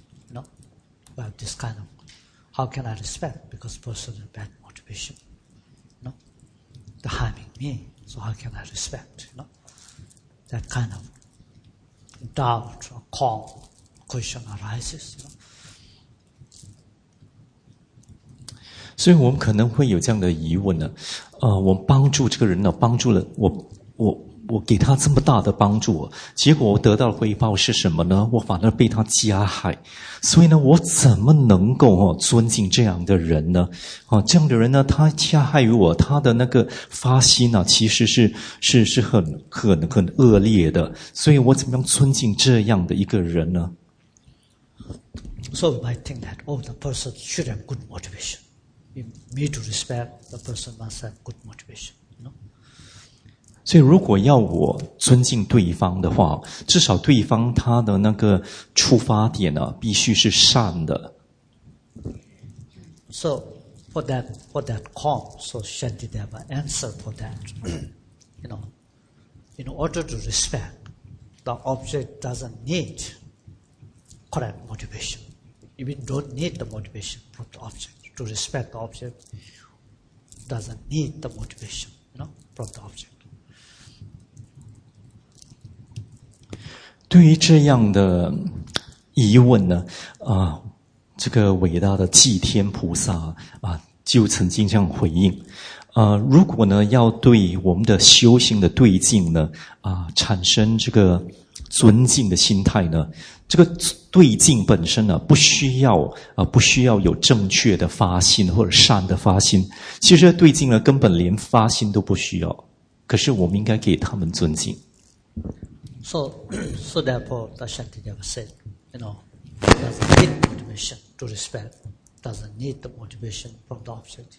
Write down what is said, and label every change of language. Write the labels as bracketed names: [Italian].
[English] You know, we have this kind of, how can I respect because person has bad motivation? Harming me, so how can I respect? You know? That kind of doubt or call question arises. You know? [Chinese] 所以我们可能会有这样的疑问呢。我帮助这个人呢，帮助了我给他这么大的帮助，结果我得到的回报是什么呢？我反而被他加害。所以呢，我怎么能够尊敬这样的人呢？这样的人呢，他加害于我，他的那个发心呢，其实是很恶劣的。所以我怎么样尊敬这样的一个人呢？ [English] So we might think that, oh, the person should have good motivation. You need to respect, the person must have good motivation. [Chinese] 所以如果要我尊敬对方的话，至少对方他的那个出发点呢、必须是善的。 [English] So, for that call, so Shantideva answer for that. You know, in order to respect, the object doesn't need correct motivation. Even don't need the motivation for the object. To respect the object doesn't need the motivation, you know, from the object. [Chinese] 对于这样的疑问呢，这个伟大的祭天菩萨啊，就曾经这样回应，如果呢要对我们的修行的对境呢产生这个尊敬的心态呢，这个对境本身呢不需要有正确的发心或者善的发心，其实对境呢根本连发心都不需要，可是我们应该给他们尊敬。 [English] So therefore, the Shanti Deva said, you know, doesn't need motivation to respect, doesn't need the motivation from the object.